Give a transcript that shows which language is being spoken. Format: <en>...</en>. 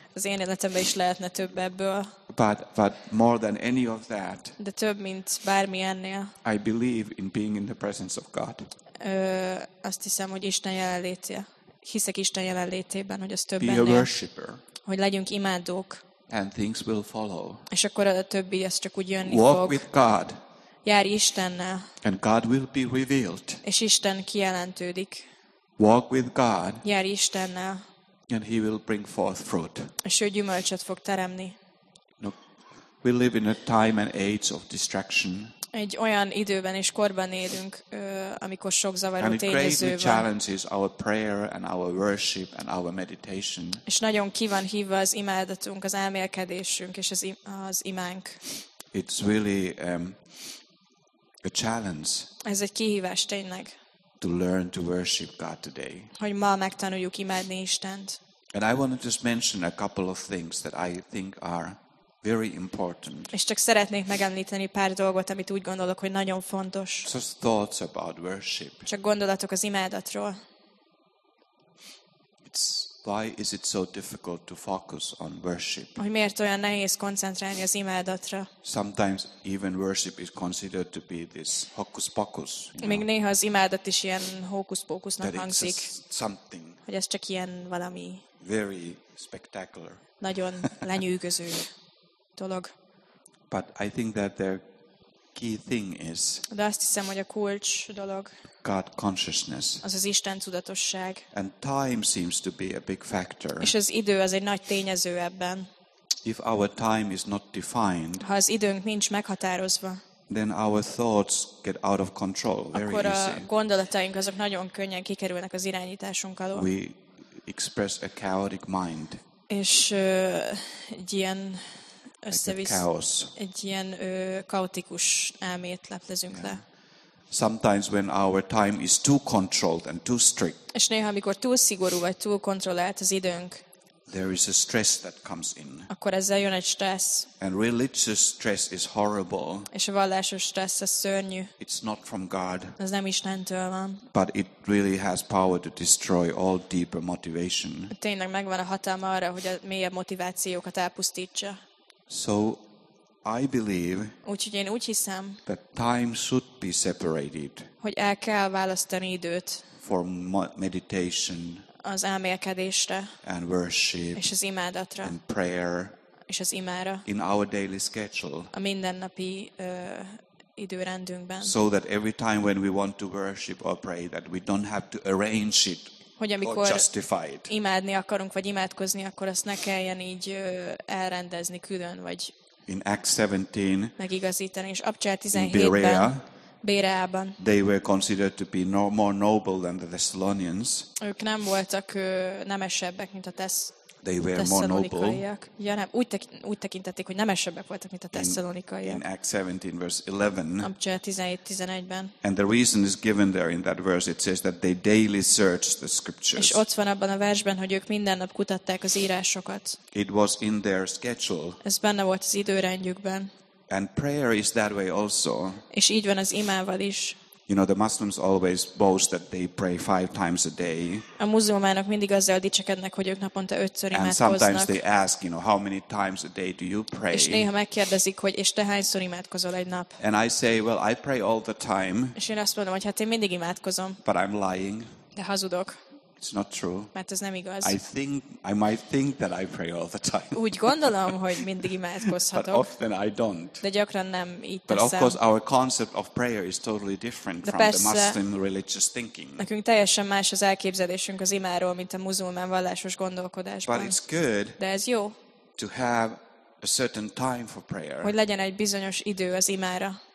<hu>Az én életemben is lehetne több ebből.</hu> <en>But more than any of that.</en> <hu>De több, mint bármi ennél.</hu> <en>I believe in being in the presence of God.</en> <hu>Azt hiszem, hogy Isten jelenlétje. Hiszek Isten jelenlétében, hogy az több ennél.</hu> <en>Be a worshipper.</en> <hu>Hogy legyünk imádók.</hu> <en>And things will follow.</en> <hu>És akkor a többi ez csak úgy jönni</hu> <en>Walk</en> <hu>fog.</hu> <en>With God.</en> <hu>Járj Istennel.</hu> <en>And God will be revealed.</en> <hu>És Isten kijelentődik.</hu> <en>Walk with God.</en> <hu>Járj Istennel.</hu> <en>And he will bring forth fruit.</en> <hu>És ő gyümölcsöt fog teremni.</hu> <en>No, we live in a time and age of distraction.</en> <hu>Egy olyan időben és korban élünk, amikor sok zavaró tényező van.</hu> <en>Our prayer and our worship and our meditation.</en> <hu>És nagyon ki van hívva az imádatunk, az elmélkedésünk és az imánk.</hu> <en>It's really a challenge.</en> <hu>Ez egy kihívás tényleg.</hu> <en>to learn to worship God today.</en> <hu>Hogy ma megtanuljuk imádni Istent.</hu> <en>And I want to just mention a couple of things that I think are very important.</en> <hu>És csak szeretnék megemlíteni pár dolgot, amit úgy gondolok, hogy nagyon fontos.</hu> <en>Just thoughts about worship.</en> <hu>Csak gondolatok az imádatról.</hu> <en>It's why is it so difficult to focus on worship?</en> <hu>Hogy miért olyan nehéz koncentrálni az imádatra?</hu> <en>Sometimes even worship is considered to be this hokuspokus.</en> <hu>Még néha az imádat is ilyen hokuspokusnak hangzik.</hu> <en>Something.</en> <hu>Hogy ez csak ilyen valami.</hu> <en>Very spectacular.</en> <hu>Nagyon lenyűgöző dolog.</hu> <en>But I think that the key thing is.</en> <hu>De azt hiszem, hogy a kulcs dolog.</hu> <en>God consciousness.</en> <hu>Az az Isten tudatosság.</hu> <en>And time seems to be a big factor.</en> <hu>És az idő az egy nagy tényező ebben.</hu> <en>If our time is not defined.</en> <hu>Ha az időnk nincs meghatározva.</hu> <en>Then our thoughts get out of control very easily.</en> <hu>Akkor a gondolataink azok nagyon könnyen kikerülnek az irányításunk alól.</hu> <en>We express a chaotic mind.</en> <hu>És egy ilyen összevisz,</hu> <en>like a chaos.</en> <hu>Egy ilyen kaotikus elmét leplezünk le.</hu> <en>Sometimes when our time is too controlled and too strict.</en> <hu>És néha, amikor túl szigorú vagy túl kontrollált az időnk.</hu> <en>There is a stress that comes in.</en> <hu>Akkor ezzel jön egy stressz.</hu> <en>And religious stress is horrible.</en> <hu>És a vallásos stressz az szörnyű.</hu> <en>It's not from God.</en> <hu>Ez nem Istentől van.</hu> <en>But it really has power to destroy all deeper motivation.</en> <hu>Tényleg megvan a hatalma arra, hogy a mélyebb motivációkat elpusztítsa.</hu> <en>So I believe.</en> <hu>Úgyhogy én úgy hiszem.</hu> <en>That time should be separated.</en> <hu>Hogy el kell választani időt.</hu> <en>For meditation.</en> <hu>Az elmélkedésre.</hu> <en>And worship.</en> <hu>És az imádatra.</hu> <en>And prayer.</en> <hu>És az imára.</hu> <en>In our daily schedule.</en> <hu>A mindennapi időrendünkben.</hu> <en>So that every time when we want to worship or pray, that we don't have to arrange it.</en> <hu>Hogy amikor imádni akarunk vagy imádkozni, akkor azt ne kelljen így elrendezni külön vagy.</hu> <en>In Acts 17,</en> <hu>megigazítani, és Apcsel 17-ben, Béreában,</hu> <en>they were considered to be no more noble than the Thessalonians.</en> <hu>Ők nem voltak nemesebbek, mint a Thessalonikaiak.</hu> <en>They were more noble.</en> <hu>Ja, nem, úgy tekintették, hogy nemesebbek voltak, mint a Thessalonikaiak.</hu> <en>In Acts 17, verse 11,</en> <hu>Apcsel 17-11-ben,</hu> <en>and the reason is given there in that verse, it says that they daily searched the scriptures.</en> <hu>És ott van abban a versben, hogy ők minden nap kutatták az írásokat.</hu> <en>It was in their schedule.</en> <hu>Ez benne volt az időrendjükben.</hu> <en>And prayer is that way also.</en> <hu>És így van az imával is.</hu> <en>You know, the Muslims always boast that they pray 5 times a day.</en> <hu>A muzulmánok mindig azzal dicsekednek, hogy ők naponta 5-ször imádkoznak.</hu> <en>And sometimes they ask, you know, how many times a day do you pray?</en> <hu>És néha megkérdezik, hogy és te hányszor imádkozol egy nap?</hu> <en>And I say, well, I pray all the time.</en> <hu>És én azt mondom, hogy hát én mindig imádkozom.</hu> <en>But I'm lying.</en> <hu>De hazudok.</hu> <en>It's not true.</en> <hu>Mert ez nem igaz.</hu> <en>I might think that I pray all the time.</en> <hu>Úgy gondolom, hogy mindig imádkozhatok.</hu> <en>But often I don't.</en> <hu>De gyakran nem így teszem.</hu> <en>But of course our concept of prayer is totally different</en> <hu>de</hu> <en>from the Muslim religious thinking.</en> <hu>Nekünk teljesen más az elképzelésünk az imáról, mint a muzulmán vallásos gondolkodásban.</hu> <en>But it's good.</en> <hu>De ez jó.</hu> <en>To have a certain time for prayer.</en> <hu>Hogy legyen egy bizonyos idő az imára.</hu>